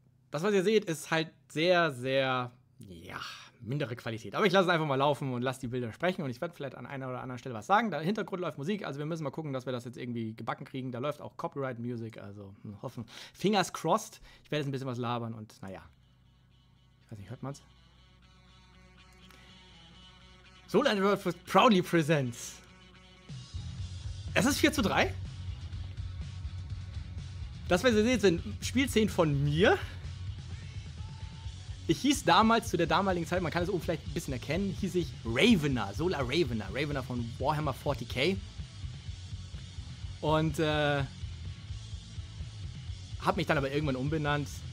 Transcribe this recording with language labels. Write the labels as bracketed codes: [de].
[de] Das, was ihr seht, ist halt sehr, sehr, ja, mindere Qualität. Aber ich lasse es einfach mal laufen und lasse die Bilder sprechen und ich werde vielleicht an einer oder anderen Stelle was sagen. Da im Hintergrund läuft Musik, also wir müssen mal gucken, dass wir das jetzt irgendwie gebacken kriegen. Da läuft auch Copyright Music, also hoffen. [en] Fingers crossed. [de] Ich werde jetzt ein bisschen was labern und naja. Ich weiß nicht, hört man's? [en] Solar World proudly presents. [de] Es ist 4 zu 3. Das, was ihr seht, sind Spielszenen von mir. Ich hieß damals, zu der damaligen Zeit, man kann es oben vielleicht ein bisschen erkennen, hieß ich Ravener, Solar Ravener, Ravener von Warhammer 40k. Und hab mich dann aber irgendwann umbenannt.